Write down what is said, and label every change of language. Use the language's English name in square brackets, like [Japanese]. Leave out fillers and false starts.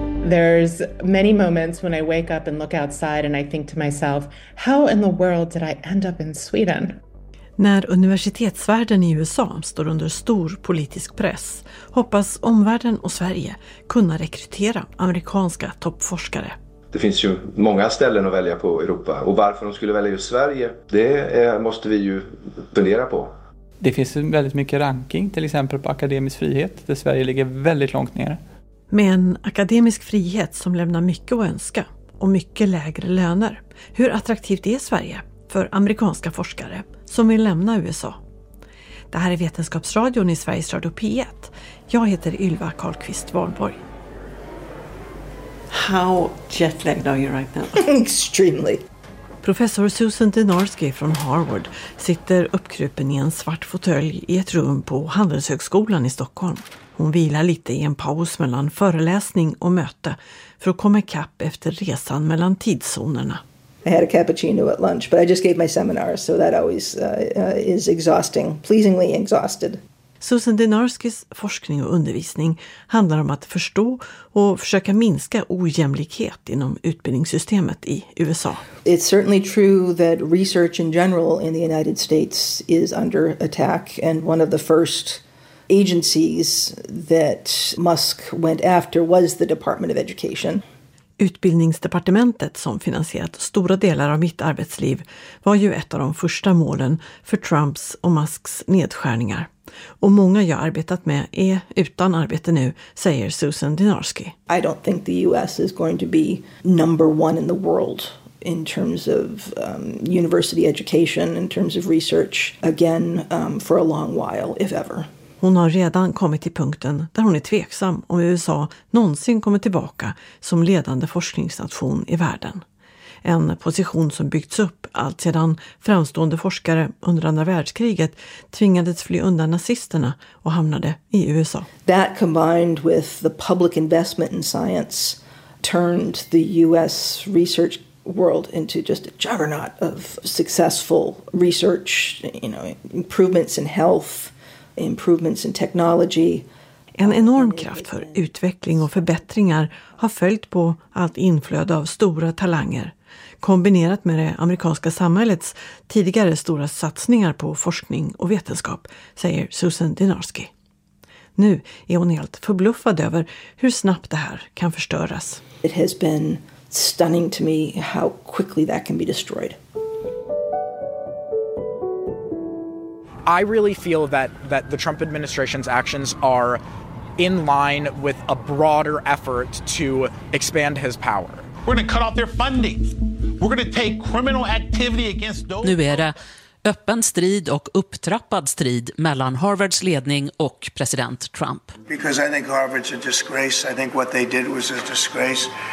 [English] There's many moments when I wake up and look outside and I think to myself, how in the world did I end up in Sweden? [Swedish] När universitetsvärlden i USA står under stor politisk press hoppas omvärlden och Sverige kunna rekrytera amerikanska toppforskare. Det finns ju många ställen att välja på i Europa, och varför de skulle välja just Sverige, det måste vi ju fundera på. Det finns väldigt mycket ranking, till exempel på akademisk frihet, där Sverige ligger väldigt långt ner. Med en akademisk frihet som lämnar mycket att önska och mycket lägre löner, hur attraktivt är Sverige för amerikanska forskare som vill lämna USA? Det här är Vetenskapsradion i Sveriges Radio P1. Jag heter Ylva Karlqvist Wahlborg. [English] How jet lagged are you right now? Extremely. [Swedish] Professor Susan Dynarski från Harvard sitter uppkrupen i en svart fåtölj i ett rum på Handelshögskolan i Stockholm. Hon vilar lite i en paus mellan föreläsning och möte för att komma ikapp efter resan mellan tidszonerna. [English] I had a cappuccino at lunch, but I just gave my seminar, so that always is exhausting, pleasingly exhausted. [Swedish] Susan Dynarskis forskning och undervisning handlar om att förstå och försöka minska ojämlikhet inom utbildningssystemet i USA. [English] It's certainly true that research in general in the United States is under attack, and one of the first agencies that Musk went after was the Department of Education. [Swedish] Utbildningsdepartementet som finansierat stora delar av mitt arbetsliv var ju ett av de första målen för Trumps och Musks nedskärningar. Och många jag arbetat med är utan arbete nu, säger Susan Dynarski. [English] I don't think the US is going to be number one in the world in terms of university education, in terms of research again for a long while, if ever. [Swedish] Hon har redan kommit till punkten där hon är tveksam om USA någonsin kommer tillbaka som ledande forskningsnation i världen. En position som byggts upp allt sedan framstående forskare under andra världskriget tvingades fly undan nazisterna och hamnade i USA. [English] That combined with the public investment in science turned the US research world into just a juggernaut of successful research, you know, improvements in health, improvements in technology. [Swedish] En enorm kraft för utveckling och förbättringar har följt på allt inflöde av stora talanger. Kombinerat med det amerikanska samhällets tidigare stora satsningar på forskning och vetenskap, säger Susan Dynarski. Nu är hon helt förbluffad över hur snabbt det här kan förstöras. [English] It has been stunning to me how quickly that can be destroyed. I really feel that the Trump administration's actions are in line with a broader effort to expand his power. We're going to cut off their funding. We're going to take criminal activity against those. [Swedish] Nu är det öppen strid och upptrappad strid mellan Harvards ledning och president Trump. [English] Because I think Harvard's a disgrace. I think what they did was a disgrace.